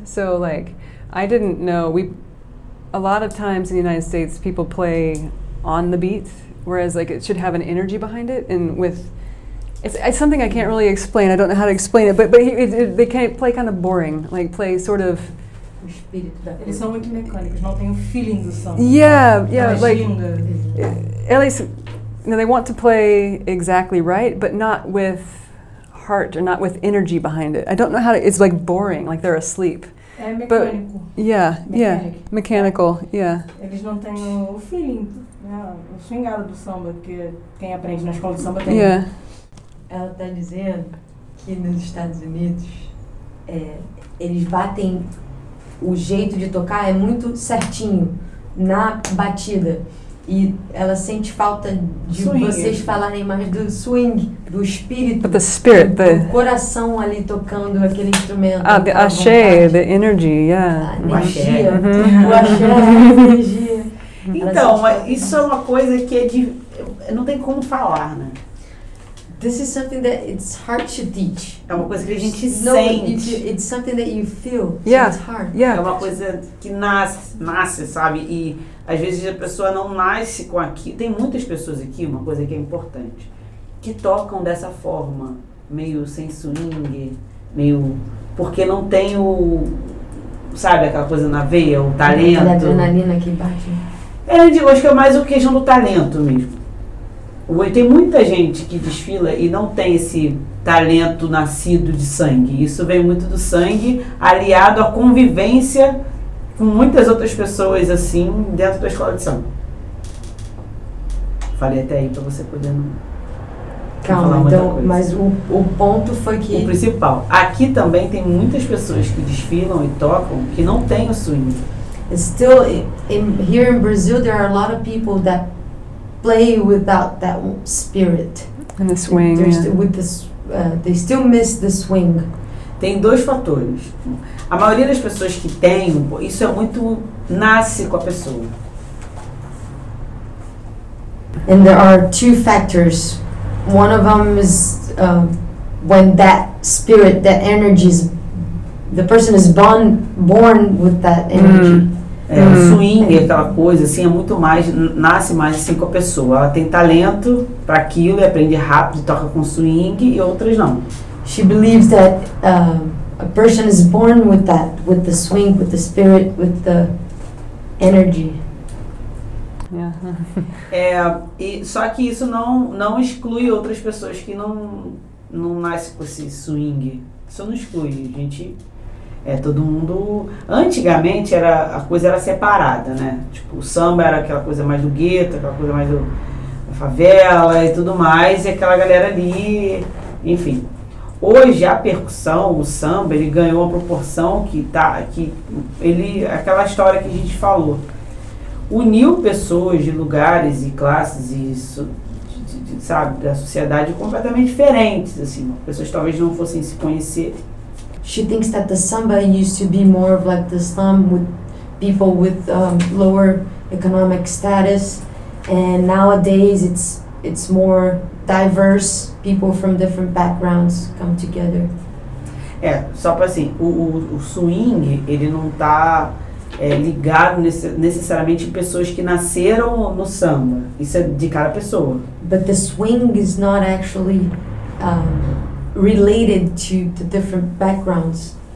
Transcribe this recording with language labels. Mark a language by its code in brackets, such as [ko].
[en] So, like, I didn't know, a lot of times in the United States, people play on the beat, whereas, like, it should have an energy behind it, and it's something I can't really explain, I don't know how to explain it, but they can't play kind of boring, like, play sort of... [pt] Eles são muito mecânicos, não tem o feeling do som. [en] Yeah, like, at least... No, they want to play exactly right, but not with heart or not with energy behind it. I don't know how to, it's like boring, like they're asleep. É mechanical. But yeah, mechanic. Yeah, mechanical, yeah. [pt] Eles não têm o feeling, o swingado do samba, que quem aprende na escola de samba tem. [en] Yeah. [pt] Ela está dizendo que nos Estados Unidos, eles batem, o jeito de tocar é muito certinho na batida. E ela sente falta de swing. Vocês falarem mais do swing, do espírito. [en] But the spirit, the... [pt] Do coração ali tocando aquele instrumento. [en] Ah, the axé, the energy, yeah. [pt] A energia. Então, isso é uma coisa que não tem como falar, né? [en] This is something that it's hard to teach. [pt] É uma coisa que a gente sente. [en] It's something that you feel, yeah. So it's hard. Yeah. [pt] É uma coisa que nasce, sabe? E às vezes a pessoa não nasce com aquilo. Tem muitas pessoas aqui, uma coisa que é importante, que tocam dessa forma, meio sem swing, meio... Porque não tem o... Sabe aquela coisa na veia, o talento? Aquela adrenalina que bate. Eu digo, acho que é mais o questão do talento mesmo. Tem muita gente que desfila e não tem esse talento nascido de sangue. Isso vem muito do sangue, aliado à convivência com muitas outras pessoas assim dentro da escola de samba. Falei até aí para você poder não calma, falar então, muita coisa. Mas o ponto foi que... O principal. Aqui também tem muitas pessoas que desfilam e tocam que não têm o swing. [en] Still, here in Brazil, there are a lot of people that play without that spirit. And the swing. They still miss the swing. [pt] Tem dois fatores. A maioria das pessoas que tem, isso é muito, nasce com a pessoa. [en] And there are two factors. One of them is when that spirit, that energy, the person is born with that energy. Mm. [pt] swing, aquela coisa, assim, é muito mais, nasce mais assim com a pessoa. Ela tem talento para aquilo e aprende rápido, toca com swing, e outras não. [en] She believes that a person is born with that, with the swing, with the spirit, with the energy. Yeah. [pt] Só que isso não exclui outras pessoas que não nascem com esse swing. Isso não exclui, a gente... É, todo mundo... Antigamente, a coisa era separada, né? Tipo, o samba era aquela coisa mais do gueto, aquela coisa mais da favela e tudo mais, e aquela galera ali, enfim. Hoje, a percussão, o samba, ele ganhou uma proporção que tá... Que ele, aquela história que a gente falou. Uniu pessoas de lugares e classes e isso, sabe, da sociedade completamente diferentes, assim. Pessoas talvez não fossem se conhecer. [en] She thinks that the samba used to be more of like the slum with people with lower economic status, and nowadays it's more diverse, people from different backgrounds come together. [pt] É, só para assim, o swing, ele não tá ligado necessariamente em pessoas que nasceram no samba. Isso é de cada pessoa. [en] But the swing is not actually related to the different backgrounds.